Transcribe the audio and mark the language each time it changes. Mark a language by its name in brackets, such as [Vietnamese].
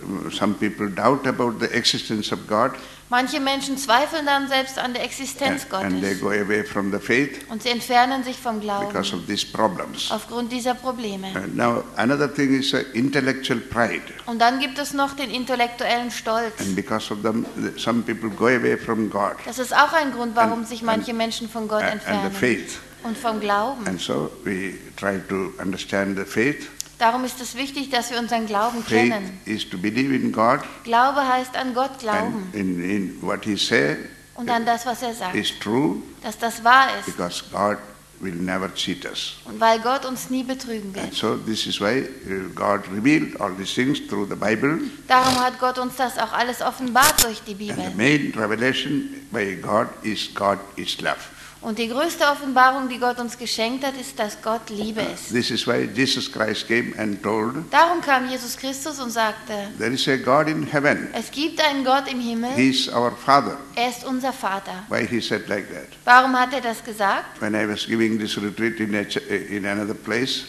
[English] some people doubt about the existence of God. [German] Manche Menschen zweifeln dann selbst an der Existenz Gottes. [English] And they go away from the faith. [German] Und sie entfernen sich vom Glauben. [English] Because of these problems. [German] Aufgrund dieser Probleme. [English] Now another thing is intellectual pride. [German] Und dann gibt es noch den intellektuellen Stolz. [English] And because of them, some people go away from God. [German] Das ist auch ein Grund, warum sich manche Menschen von Gott entfernen. [English] And the faith. [German] Und vom Glauben. [English] And so we try to understand the faith. [German] Darum ist es wichtig, dass wir unseren Glauben [English] faith [German] kennen. [English] Is to believe in God. [German] Glaube heißt an Gott glauben. [English] In what he say, [German] und an das, was er sagt. [English] Is true, [German] dass das wahr ist. [English] Because God will never cheat us. [German] Und weil Gott uns nie betrügen wird. [English] And so this is why God revealed all these things through the Bible. [German] Darum hat Gott uns das auch alles offenbart durch die Bibel. [English] And the main revelation by God is love. [German] Und die größte Offenbarung, die Gott uns geschenkt hat, ist, dass Gott Liebe ist. [English] This is why Jesus Christ came and told. [German] Darum kam Jesus Christus und sagte. [English] There is a God in heaven. [German] Es gibt einen Gott im Himmel. [English] He is our Father. [German] Er ist unser Vater. [English] Why he said like that? [German] Warum hat er das gesagt? [English] When I was giving this retreat in another place.